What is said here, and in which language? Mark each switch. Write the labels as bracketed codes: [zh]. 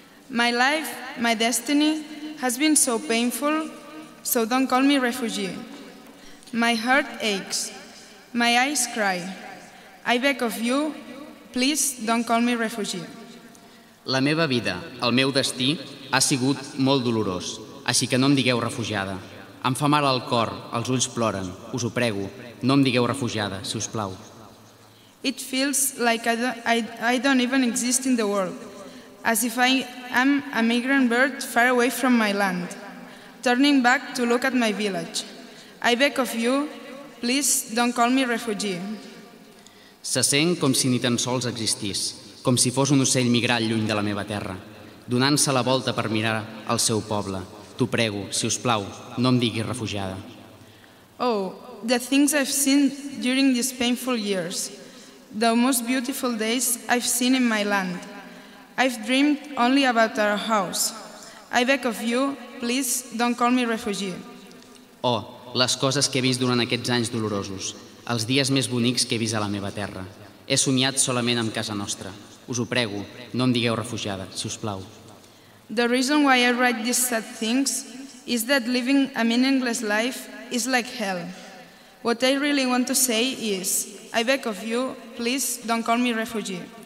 [en] My life, my destiny, has been so painful, so don't call me a refugee. My heart aches, my eyes cry. I beg of you, please don't call me a refugee. [ca] La meva vida, el meu destí, ha sigut molt dolorós, així que no em digueu refugiada. Em fa mal el cor, els ulls ploren, us ho prego, no em digueu refugiada, si us plau. [en] It feels like I don't even exist in the world, as if I am a migrant bird far away from my land, turning back to look at my village. I beg of you, please don't call me refugee. [ca] Se sent com si ni tan sols existís, com si fos un ocell migrat lluny de la meva terra, donant-se la volta per mirar el seu poble. T'ho prego, si us plau, no em diguis refugiada. [en] Oh, the things I've seen during these painful years. The most beautiful days I've seen in my land. I've dreamed only about our house. I beg of you, please don't call me refugee. Oh, [ca] les coses que he vist durant aquests anys dolorosos, els dies més bonics que he vist a la meva terra. He somiat solament amb casa nostra. Us ho prego, no em digueu refugiada, si us plau. [en] The reason why I write these sad things is that living a meaningless life is like hell. What I really want to say is, I beg of you, please don't call me refugee.